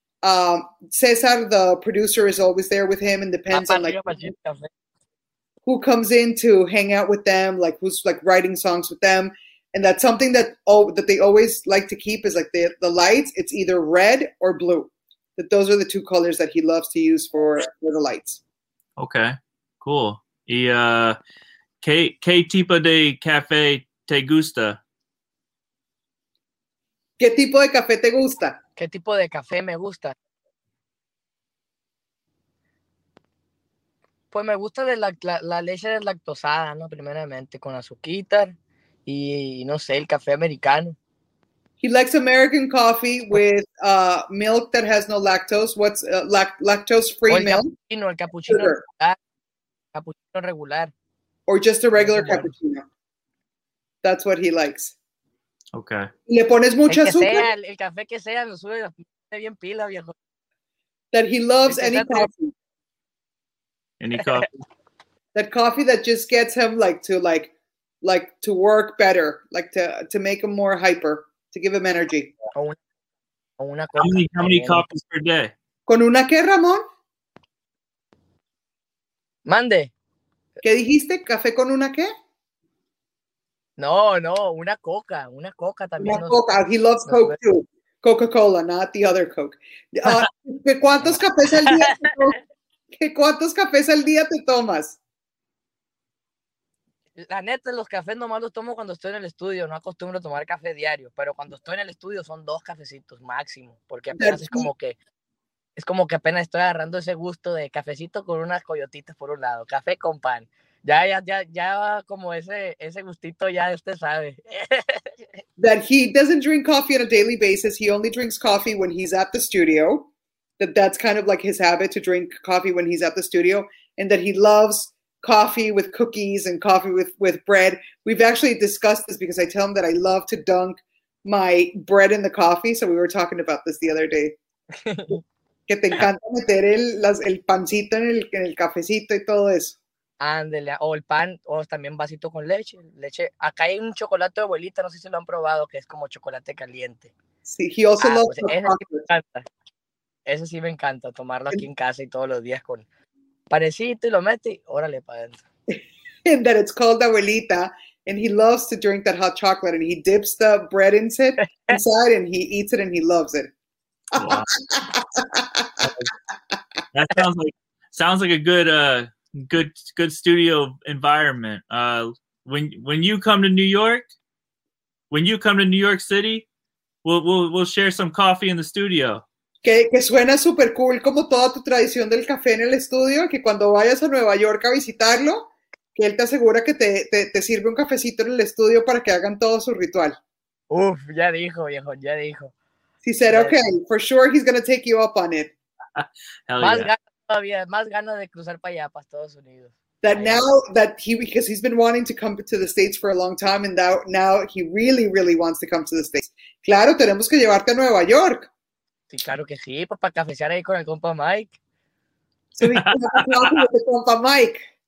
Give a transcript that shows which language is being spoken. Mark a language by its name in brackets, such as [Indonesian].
[English] César, the producer, is always there with him and depends on like who comes in to hang out with them, like who's like writing songs with them. And that's something that they always like to keep is like the lights. It's either red or blue. That those are the two colors that he loves to use for the lights. Okay, cool. Y [Spanish] ¿Qué tipo de café te gusta? ¿Qué tipo de café te gusta? ¿Qué tipo de café me gusta? Pues me gusta de la leche deslactosada, ¿no? Primeramente, con azuquitar y, no sé, el café americano. [English] He likes American coffee with milk that has no lactose. What's lactose-free milk? [Spanish] Cappuccino, el cappuccino regular. Cappuccino regular. [English] Or just a regular cappuccino. That's what he likes. Okay. [Spanish] ¿Le pones mucha azúcar? Sea, el café que sea, lo sube bien pila, viejo. [English] That he loves any coffee. Any coffee. That coffee that just gets him like to work better, like to make him more hyper, to give him energy. How many coffees per day? [Spanish] ¿Con una qué, Ramón? Mande. ¿Qué dijiste? ¿Café con una qué? No, una coca también. Una coca, [English] he loves Coke too. Coca-Cola, not the other Coke. [Spanish] ¿Cuántos cafés al día te tomas? La neta, los cafés nomás los tomo cuando estoy en el estudio, no acostumbro a tomar café diario, pero cuando estoy en el estudio son dos cafecitos máximo, porque apenas es como que apenas estoy agarrando ese gusto de cafecito con unas coyotitas por un lado, café con pan. Ya, como ese gustito ya usted sabe. [English] That he doesn't drink coffee on a daily basis. He only drinks coffee when he's at the studio. That's kind of like his habit, to drink coffee when he's at the studio. And that he loves coffee with cookies and coffee with bread. We've actually discussed this because I tell him that I love to dunk my bread in the coffee. So we were talking about this the other day. [Spanish] Que te encanta meter el pancito en el cafecito y todo eso. Ándele, o el pan, o también vasito con leche. Acá hay un chocolate de abuelita, no sé si lo han probado, que es como chocolate caliente. [English] Sí, he also loves [Spanish] pues ese chocolate. Sí me encanta. Ese sí me encanta, tomarlo aquí en casa y todos los días con panecito y lo mete y órale para adentro. [English] And that it's called abuelita, and he loves to drink that hot chocolate, and he dips the bread inside, and he eats it, and he loves it. Wow. That sounds like a good studio environment. When you come to New York, when you come to New York City, we'll share some coffee in the studio. [Spanish] Que suena super cool, como toda tu tradición del café en el estudio, que cuando vayas a Nueva York a visitarlo, que él te asegura que te sirve un cafecito en el estudio para que hagan todo su ritual. Uf, ya dijo, viejo, ya dijo. [English] He said, okay, for sure he's going to take you up on it. Hell yeah. [Spanish] Todavía más ganas de cruzar para allá, para Estados Unidos. [English] That now that he, because he's been wanting to come to the States for a long time, and that now he really, really wants to come to the States. [Spanish] Claro, tenemos que llevarte a Nueva York. Sí, claro que sí, para cafecear ahí con el compa Mike. [English] So we can talk with the compa Mike.